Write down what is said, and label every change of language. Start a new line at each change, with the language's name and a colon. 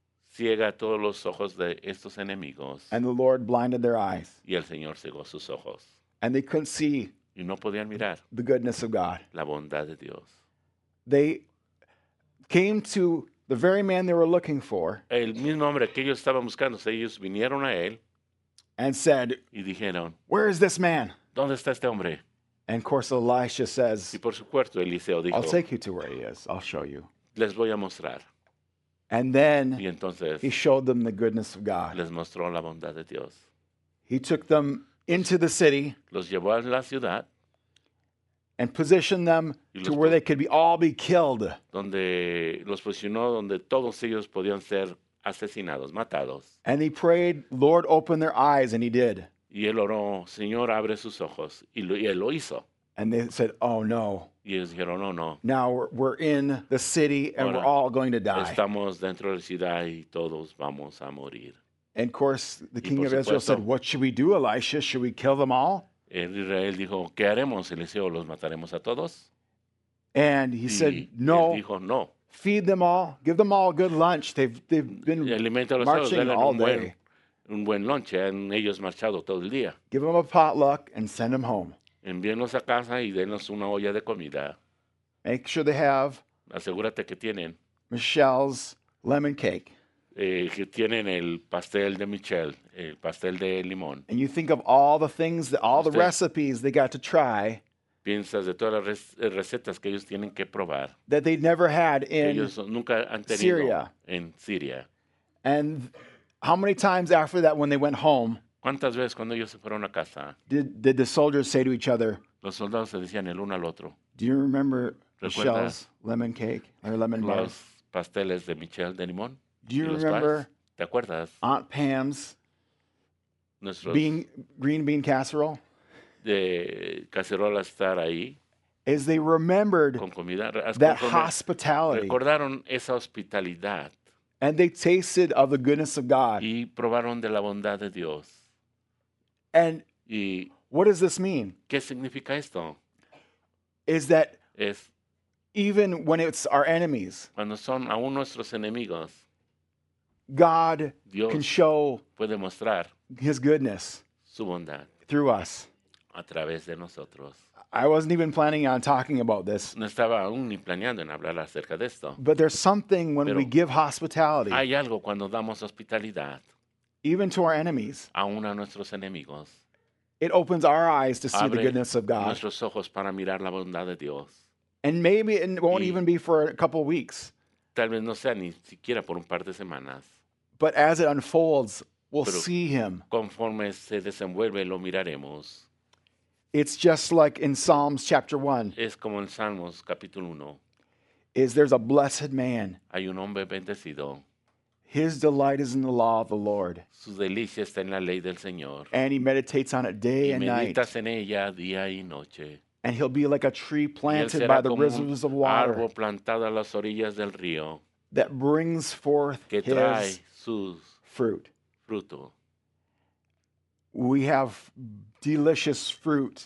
Spanish: Ciega todos los ojos de estos enemigos.
English: And the Lord blinded their eyes.
Spanish: Y el Señor cegó sus ojos.
English: And they couldn't see.
Spanish: Y no podían mirar.
English: The goodness of God.
Spanish: La bondad de Dios.
English: They came to the very man they were looking for.
Spanish: El mismo hombre que ellos estaban buscando, ellos vinieron a él.
English: And said,
Spanish: y dijeron,
English: where is this man?
Spanish: ¿Dónde está este hombre?
English: And of course Elisha says,
Spanish: y por supuesto Eliseo dijo,
English: I'll take you to where he is. I'll show you.
Spanish: Les voy a mostrar.
English: And then
Spanish: y entonces,
English: he showed them the goodness of God.
Spanish: Les mostró la bondad de Dios.
English: He took them into the city.
Spanish: Los llevó a la ciudad.
English: And positioned them to where they could be all be killed.
Spanish: Donde los posicionó donde todos ellos podían ser asesinados, matados.
English: And he prayed, Lord, open their eyes, and he did.
Spanish: Y él oró, Señor, abre sus ojos. Y él lo hizo.
English: And they said, oh, no.
Spanish: Y ellos dijeron, oh, no.
English: Now we're in the city and
Spanish: ahora,
English: we're all going to die.
Spanish: Estamos dentro de la ciudad y todos vamos a morir.
English: And of course, the king of
Spanish: supuesto,
English: Israel said, what should we do, Elisha? Should we kill them all?
Spanish: El Israel dijo, ¿qué haremos, Eliseo? ¿Los mataremos a todos?
English: And he
Spanish: y
English: said, no.
Spanish: Él dijo, no.
English: feed them all, give them all a good lunch. They've been marching all day.
Spanish: Un buen lunch, han ellos marchado todo el día.
English: Give them a potluck and send them home.
Spanish: Envíenlos a casa y denos una olla de comida.
English: Make sure they have.
Spanish: Asegúrate que tienen.
English: Michelle's lemon cake.
Spanish: Que tienen el pastel de Michelle, el pastel de limón.
English: And you think of all the things, all the recipes they got to try.
Spanish: Piensas de todas las recetas que ellos tienen que probar.
English: That they never had in
Spanish: ellos nunca han tenido
English: Syria.
Spanish: En Siria.
English: And how many times after that, when they went home,
Spanish: ¿cuántas veces cuando ellos se fueron a casa,
English: did the soldiers say to each other,
Spanish: los soldados se decían el uno al otro,
English: do you remember Michelle's lemon cake or lemon bread?
Spanish: Los pasteles de Michelle de limón.
English: Do you remember
Spanish: ¿te acuerdas?
English: Aunt Pam's
Spanish: nuestros
English: green bean casserole?
Spanish: De cacerola estar ahí.
English: As they remembered
Spanish: con comida,
English: that hospitality.
Spanish: Recordaron esa hospitalidad.
English: And they tasted of the goodness of God.
Spanish: Y probaron de la bondad de Dios.
English: And
Spanish: y
English: what does this mean?
Spanish: ¿Qué significa esto?
English: Is that
Spanish: es
English: even when it's our enemies,
Spanish: cuando son aún nuestros enemigos,
English: God
Spanish: Dios
English: can show
Spanish: puede mostrar
English: his goodness
Spanish: su bondad
English: through us.
Spanish: A través de nosotros.
English: I wasn't even planning on talking about this.
Spanish: No estaba aún ni planeando en hablar acerca de esto.
English: But there's something when we give hospitality.
Spanish: Hay algo cuando damos hospitalidad.
English: Even to our enemies.
Spanish: Aún a nuestros enemigos.
English: It opens our eyes to see the goodness of God.
Spanish: Nuestros ojos para mirar la bondad de Dios.
English: And maybe it won't even be for a couple of weeks.
Spanish: Tal vez no sea ni siquiera por un par de semanas.
English: But as it unfolds, we'll see him.
Spanish: Conforme se desenvuelve, lo miraremos.
English: It's just like in Psalms chapter 1.
Spanish: Es como en Salmos capítulo 1.
English: Is there's a blessed man.
Spanish: Hay un hombre bendecido.
English: His delight is in the law of the Lord.
Spanish: Su delicia está en la ley del Señor.
English: And he meditates on it day and night.
Spanish: Y medita en ella día y noche.
English: And he'll be like a tree planted by the rivers of water.
Spanish: Árbol plantado a las orillas del río.
English: That brings forth
Spanish: que trae
English: his
Spanish: sus
English: fruit.
Spanish: Fruto.
English: We have delicious fruit.